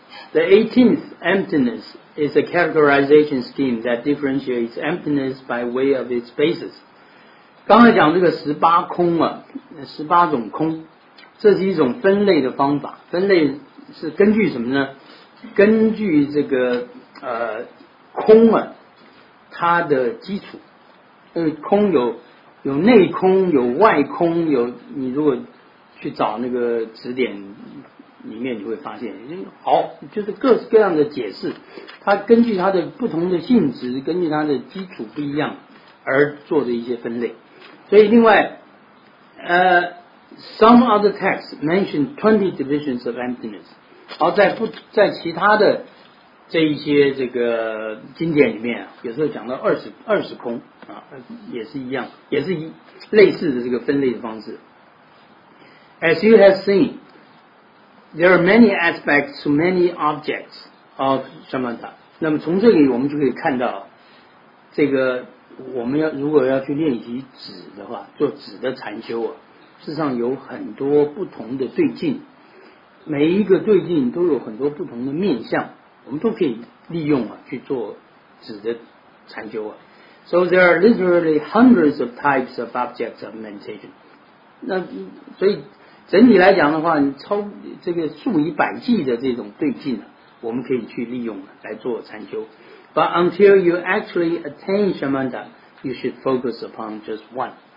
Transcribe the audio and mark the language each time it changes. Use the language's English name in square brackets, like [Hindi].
[English] The 18th emptiness is a categorization scheme that differentiates emptiness by way of its basis. [Chinese] 刚才讲这个十八空啊，十八种空，这是一种分类的方法。分类是根据什么呢？根据这个空啊，它的基础。空有内空，有外空，有你如果去找那个词典里面，你会发现，好，就是各式各样的解释。它根据它的不同的性质，根据它的基础不一样而做的一些分类。所以另外 [English] some other texts mention 20 divisions of emptiness. [Chinese] 好，在其他的这一些这个经典里面，有时候讲到二十空啊，也是一样，也是类似的这个分类的方式。 [English] As you have seen, there are many aspects to many objects of samatha. [Chinese] 那么从这里我们就可以看到，这个我们要如果要去练习止的话，做止的禅修啊，事实上有很多不同的对境，每一个对境都有很多不同的面向，我们都可以利用啊去做止的禅修啊。 [English] So there are literally hundreds of types of objects of meditation. [Chinese] 那所以整体来讲的话，超这个数以百计的这种对境，我们可以去利用来做禅修。 [English] But until you actually attain samatha, you should focus upon just one.